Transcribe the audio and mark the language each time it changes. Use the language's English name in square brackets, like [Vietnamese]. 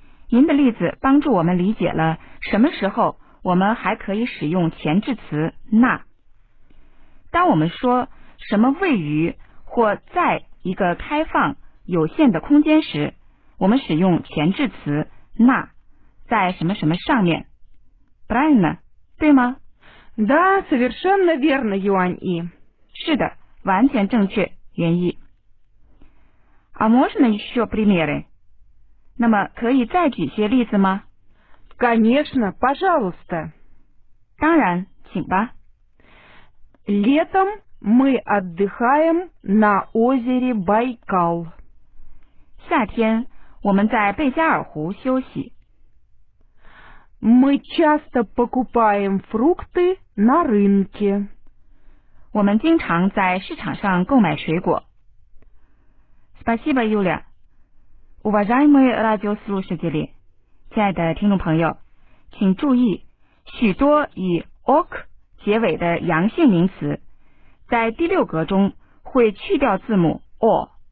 [Chinese] 您的例子帮助我们理解了什么时候我们还可以使用前置词那。当我们说什么位于或在一个开放有限的空间时，我们使用前置词那，在什么什么上面。 [Russian] Правильно, [Chinese] 对吗？ [Russian] Да, совершенно верно, Юань И. [Chinese] 是的，完全正确，袁一。 [Russian] А можно еще примеры? [Chinese] 那么可以再举些例子吗？ [Russian] Конечно, пожалуйста. [Chinese] 当然，请吧。 [Russian] Летом мы отдыхаем на озере Байкал. [Chinese] 夏天我们在贝加尔湖休息。 [Russian] Мы часто покупаем фрукты на рынке. [Chinese] 我们经常在市场上购买水果。 [Russian] Спасибо, Юля. Уважаемые радиослушатели, [Chinese] 亲爱的听众朋友，请注意，许多以 ok 结尾的阳性名词，在第六格中会去掉字母 o.